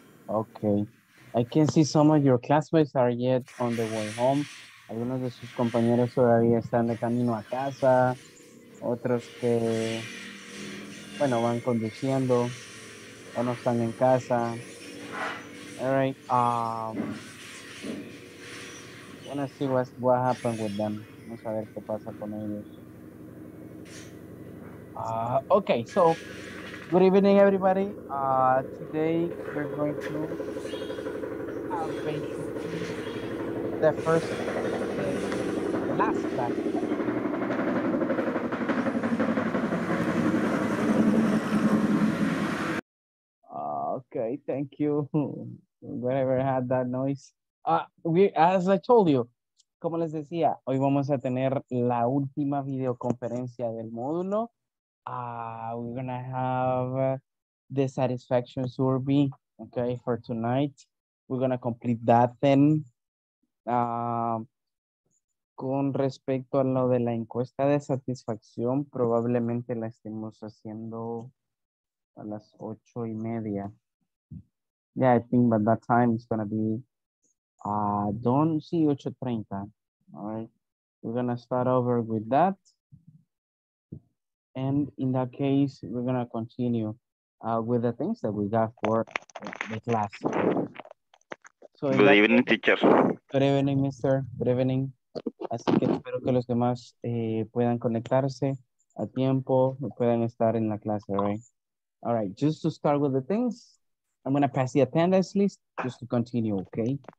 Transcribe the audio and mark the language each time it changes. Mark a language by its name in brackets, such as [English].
[English] Okay, I can see some of your classmates are yet on the way home. [Spanish] Algunos de sus compañeros todavía están de camino a casa. Otros que, bueno, van conduciendo. O no están en casa. [English] All right. Wanna see what happened with them. [Spanish] Vamos a ver qué pasa con ellos. [English] Okay, so... Good evening, everybody. Today we're going to have the first, the last class. Okay, thank you. Whatever had that noise. As I told you, [Spanish] como les decía, hoy vamos a tener la última videoconferencia del módulo. [English] We're gonna have the satisfaction survey, okay, for tonight. We're gonna complete that then. [Spanish] Con respecto a lo de la encuesta de satisfacción, probablemente la estemos haciendo a las 8:30. [English] Yeah, I think by that time it's gonna be done. Sí, 8:30. All right, we're gonna start over with that. And in that case, we're going to continue with the things that we got for the class. So good evening, teacher. Good evening, mister. Good evening. [Spanish] Así que espero que los demás puedan conectarse a tiempo, puedan estar en la clase, right? [English] All right, just to start with the things, I'm going to pass the attendance list just to continue, okay?